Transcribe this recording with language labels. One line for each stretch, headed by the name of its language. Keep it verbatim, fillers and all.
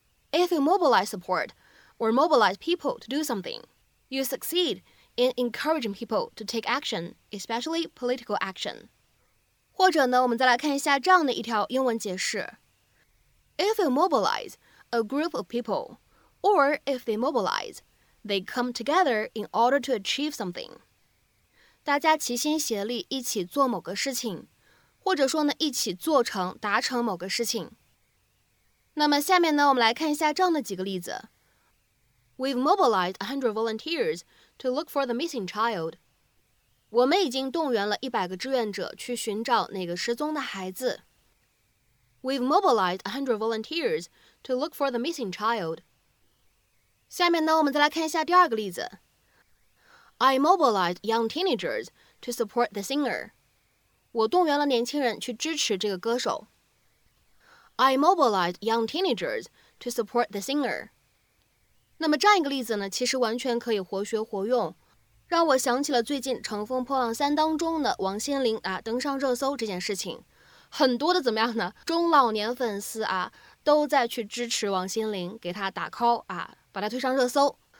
English: If you mobilize support or mobilize people to do something, you succeed in encouraging people to take action, especially political action.
Chinese: 或者呢，我们再来看一下这样的一条英文解释。
English: If you mobilize a group of people, or if they mobilize, they come together in order to achieve something.
Chinese: 大家齐心协力一起做某个事情，或者说呢，一起做成、达成某个事情。那么下面呢，我们来看一下这样的几个例子。
English: We've mobilized a hundred volunteers to look for the missing child.
Chinese: 我们已经动员了一百个志愿者去寻找那个失踪的孩子。
English: We've mobilized a hundred volunteers to look for the missing child.
Chinese: 下面呢，我们再来看一下第二个例子。
English: I mobilized young teenagers to support the singer.
Chinese: 我动员了年轻人去支持这个歌手。
English: I mobilized young teenagers to support the singer.
Chinese: 那么这样一个例子呢，其实完全可以活学活用，让我想起了最近《乘风破浪三》当中的王心凌啊登上热搜这件事情。很多的怎么样呢？中老年粉丝啊，都在去支持王心凌，给她打 call 啊，把她推上热搜。